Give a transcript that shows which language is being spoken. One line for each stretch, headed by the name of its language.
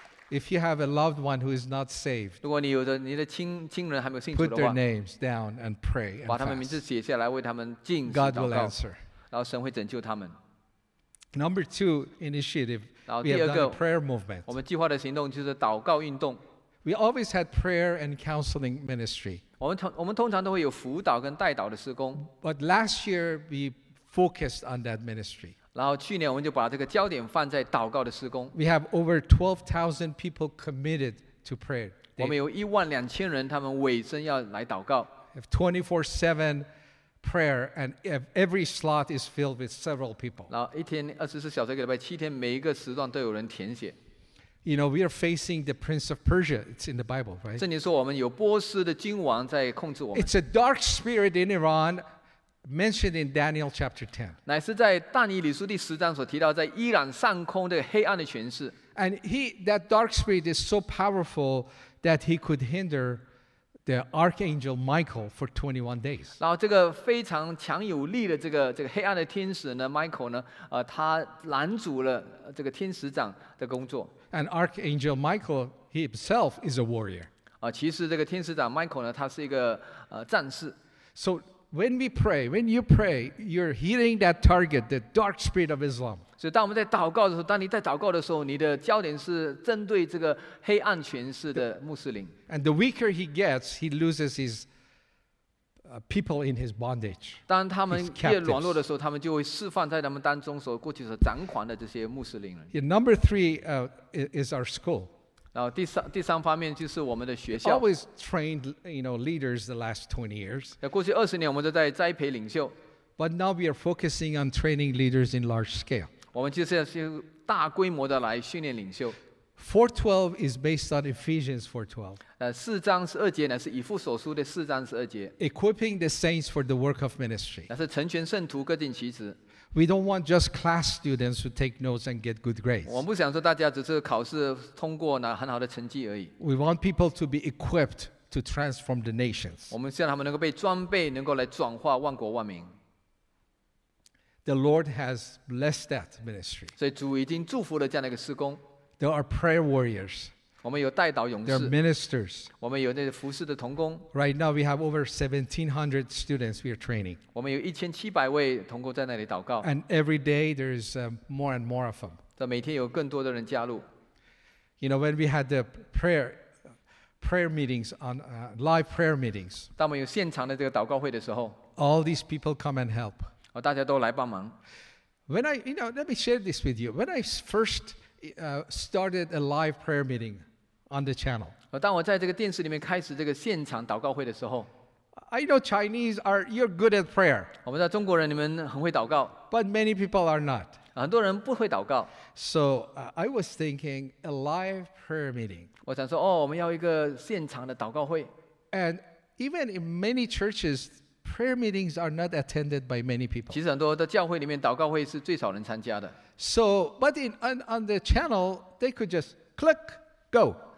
English: If you have a loved one who is not saved,
Chinese: 如果你有的你的亲人还没有信主的话
English: ，put their names down and pray and fast.
Chinese: 把他们名字写下来，为他们进行祷告。
English: God will answer.
Chinese: 然后神会拯救他们。
English: Number two initiative. We have done a prayer movement.
Chinese: 我们计划的行动就是祷告运动。
English: We always had prayer and counseling ministry.
Chinese: 我们通常都会有辅导跟带导的事工。
English: But last year we focused on that ministry.
Chinese: 然后去年我们就把这个焦点放在祷告的事工。
English: We have over 12,000 people committed to prayer.
Chinese: 我们有一万两千人，他们委身要来祷告。
English: Have 24/7. Prayer and every slot is filled with several people.
Chinese: 然后一天二十四小时，一个礼拜七天，每一个时段都有人填写。
English: You know, we are facing the Prince of Persia. It's in the Bible, right?
Chinese: 圣经说我们有波斯的君王在控制我们。
English: It's a dark spirit in Iran, mentioned in Daniel chapter 10.
Chinese: 乃是在但以理书第十章所提到，在伊朗上空的黑暗的权势。
English: And that dark spirit is so powerful that he could hinder. The Archangel Michael for 21 days.
Chinese: 然后这个非常强有力的这个黑暗的天使呢 ，Michael 呢，他拦阻了这个天使长的工作。
English: And Archangel Michael he himself is a warrior.
Chinese: 其实这个天使长 Michael 呢，他是一个战士。
English: So when we pray, when you pray, you're hitting that target, the dark spirit of Islam.
Chinese: 所以当我们在祷告的时候，当你在祷告的时候，你的焦点是针对这个黑暗权势的穆斯林。
English: And the weaker he gets, he loses his people in his bondage.
Chinese: 当他们越软弱的时候，他们就会释放在他们当中所过去所掌管的这些穆斯林。
English: Yeah, number three is our school.
Chinese: 然后第三方面就是我们的学校。
English: We've always trained, you know, leaders the last 20 years.
Chinese: 过去二十年我们都在栽培领袖。
English: But now we are focusing on training leaders in large scale.
Chinese: 我们就是要去大规模的来训练领袖。
English: 4:12 is based on Ephesians 4:12.
Chinese: 四章十二节呢，是以弗所书的四章十二节。
English: Equipping the saints for the work of ministry.
Chinese: 那是成全圣徒，各尽其职。
English: We don't want just class students who take notes and get good grades.
Chinese: 我们不想说大家只是考试通过拿很好的成绩而已。
English: We want people to be equipped to transform the nations.
Chinese: 我们希望他们能够被装备，能够来转化万国万民。
English: The Lord has blessed that ministry.
Chinese: 所以主已经祝福了这样的一个事工。
English: There are prayer warriors.
Chinese: 我们有代祷勇士。
English: There are ministers.
Chinese: 我们有那服事的童工。
English: Right now we have over 1,700 students we are training.
Chinese: 我们有1,700位童工在那里祷告。
English: And every day there is more and more of them.
Chinese: 这每天有更多的人加入。
English: You know when we had the prayer meetings on live prayer meetings.
Chinese: 当我们有现场的这个祷告会的时候。
English: All these people come and help.
Chinese: 大家都来帮忙。
English: When I, you know, let me share this with you. When I firststarted a live prayer meeting on the channel.
Chinese: 当我在这个电视里面开始这个现场祷告会的时候
English: ，I know Chinese are you're good at prayer.
Chinese: 我们知道中国人你们很会祷告
English: ，but many people are not.
Chinese: 很多人不会祷告。
English: So I was thinking a live prayer meeting.
Chinese: 我想说, 哦, 我们要一个现场的祷告会。
English: And even in many churches, prayer meetings are not attended by many people.
Chinese: 其实很多的教会里面祷告会是最少人参加的。
English: So, but on the channel, they could just click, go.